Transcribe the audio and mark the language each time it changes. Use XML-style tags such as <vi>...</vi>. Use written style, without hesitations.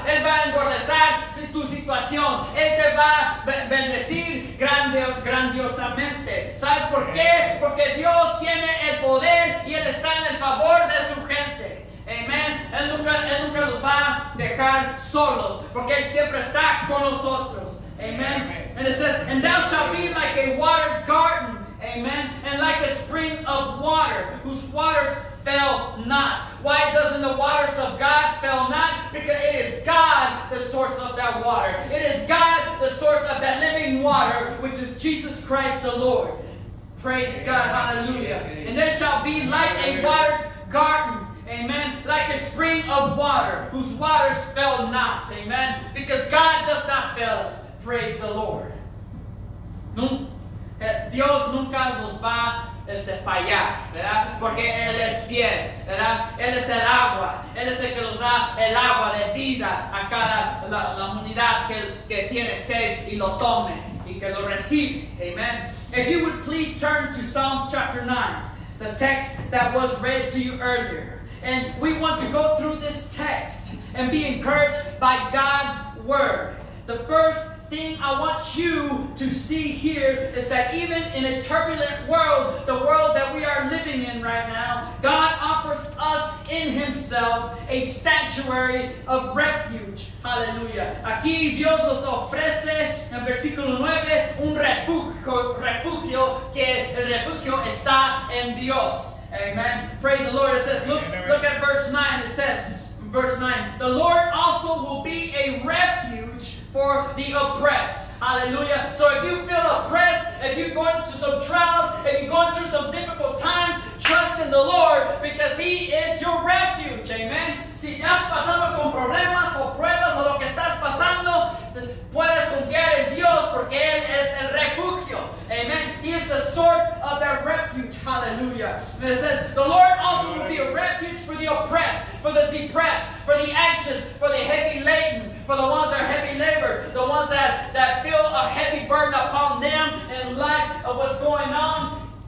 <es>Él va a engordezar tu situación. Él te va a bendecir grandiosamente. ¿Sabes por qué? Porque Dios tiene el poder y él está en el favor de su gente. Amén. Él nunca los va a dejar solos, porque Él siempre está con nosotros. Amén.</es> <en>And it says, and thou shalt be like a watered garden. Amen. And like a spring of water, whose waters fail not. Why doesn't the waters of God fail not? Because it is God the source of that water. It is God the source of that living water, which is Jesus Christ the Lord. Praise God. Hallelujah. And it shall be like a watered garden. Amen. Like a spring of water whose waters fail not. Amen. Because God does not fail us. Praise the Lord.</en> <es>Dios nunca nos va fallar, ¿verdad? Porque Él es fiel, ¿verdad? Él es el agua. Él es el que nos da el agua de vida a cada la humanidad que tiene sed y lo tome y que lo recibe.</es> <en>Amen. If you would please turn to Psalms chapter 9, the text that was read to you earlier. And we want to go through this text and be encouraged by God's word. The first thing I want you to see here is that even in a turbulent world, the world that we are living in right now, God offers us in Himself a sanctuary of refuge. Hallelujah.</en> <es>Aquí Dios nos ofrece, en versículo 9, un refugio, que el refugio está en Dios.</es> <en>Amen. Praise the Lord. It says, look at verse 9. It says, verse 9, the Lord also will be a refuge for the oppressed. Hallelujah. So if you feel oppressed, if you're going through some trials, if you're going through some difficult times, trust in the Lord because He is your refuge. Amen.</en> <es>Si estás pasando con problemas o pruebas o lo que estás pasando, puedes confiar en Dios porque Él es el refugio.</es> <en>Amen. He is the source of that refuge. Hallelujah. And it says, the Lord also will be a refuge for the oppressed, for the depressed, for the anxious, for the heavy laden, for the ones that are heavy labored, the ones that feel a heavy burden upon them in light of what's going on.</en>